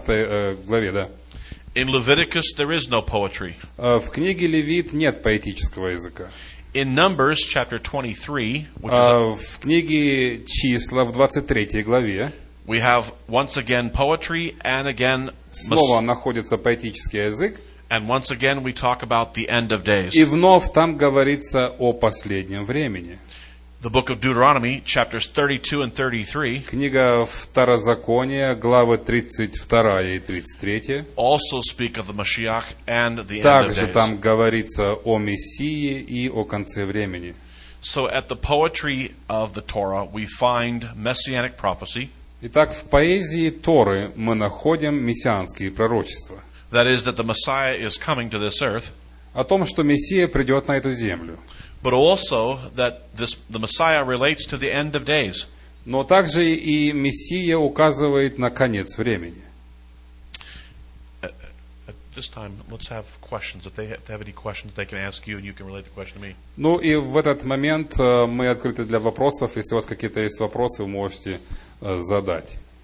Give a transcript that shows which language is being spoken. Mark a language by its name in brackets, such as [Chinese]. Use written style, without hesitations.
[English] In Leviticus, there is no poetry. [Russian] В книге Левит нет поэтического языка. [English] In Numbers, chapter 23, which is [Russian] в книге Числа в 23 главе, [English] we have once again poetry and again [Russian] снова находится поэтический язык. [English] And once again we talk about the end of days. [Russian] И вновь там говорится о последнем времени. [English] The book of Deuteronomy, chapters 32 and 33. [Russian] Книга Второзакония, главы 32 и 33. [English] Also speak of the Mashiach and the end of days. [Russian] Также там говорится о Мессии и о конце времени. [English] So at the poetry of the Torah, we find messianic prophecy. [Russian] Итак, в поэзии Торы мы находим мессианские пророчества. [English] That is that the Messiah is coming to this earth. [Russian] О том, что Мессия придет на эту землю. [English] But also that the Messiah relates to the end of days. [Russian] Но также и Мессия указывает на конец времени. [English] At this time, let's have questions. If they have any questions, they can ask you, and you can relate the question to me. [Russian] Ну и в этот момент мы открыты для вопросов. Если у вас какие-то есть вопросы, вы можете задать.